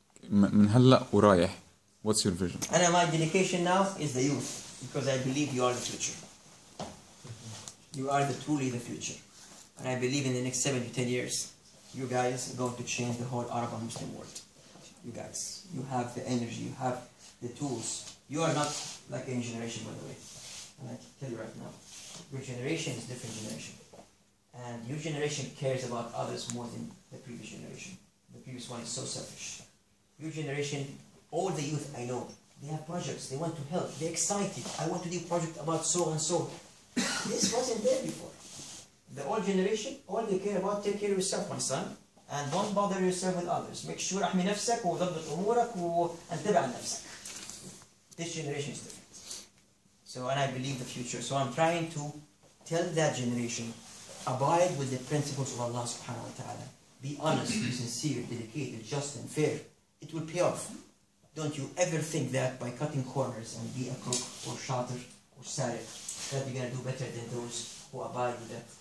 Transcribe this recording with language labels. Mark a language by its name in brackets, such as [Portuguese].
[Arabic] من هلا ورايح, [English] what's your vision? And my dedication now is the youth, because I believe you are the future. You are truly the future. And I believe in the next 7 to 10 years, you guys are going to change the whole Arab and Muslim world. You guys, you have the energy, you have the tools. You are not like any generation, by the way. And I can tell you right now, your generation is a different generation. And your generation cares about others more than the previous generation. The previous one is so selfish. Your generation, all the youth I know, they have projects, they want to help, they're excited. I want to do a project about so and so. This wasn't there before. The old generation, all they care about, take care of yourself, my son. And don't bother yourself with others. Make sure [Arabic] أحمي نفسك وضبط أمورك وانتبع نفسك. [English] This generation is different. So, and I believe the future. So I'm trying to tell that generation, abide with the principles of Allah subhanahu wa ta'ala. Be honest, be sincere, dedicated, just and fair. It will pay off. Don't you ever think that by cutting corners and be a crook or shatter or sarik, that you're going to do better than those who abide with that.